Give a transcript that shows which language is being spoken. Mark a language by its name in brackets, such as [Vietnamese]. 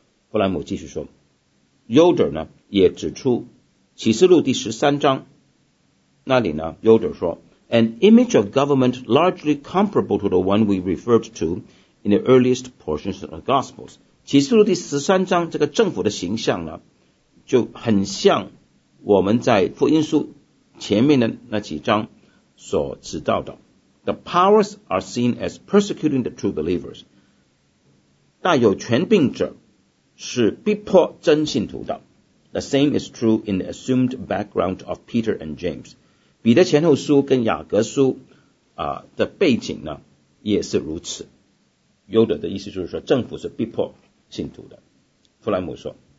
[Chinese] 弗兰姆继续说， Yoder 呢也指出启示录第十三章那里呢， Yoder 说， [English] An image of government largely comparable to the one we referred to in the earliest portions of the Gospels。 [Chinese] 启示录第十三章这个政府的形象呢就很像我们在福音书前面的那几章所指导的。 [English] The powers are seen as persecuting the true believers。 [Chinese] 大有权柄者是逼迫真信徒的。 [English] The same is true in the assumed background of Peter and James。 [Chinese] 彼得前后书跟雅各书的背景呢也是如此。 Yoder 的意思就是说政府是逼迫信徒的，弗莱姆说。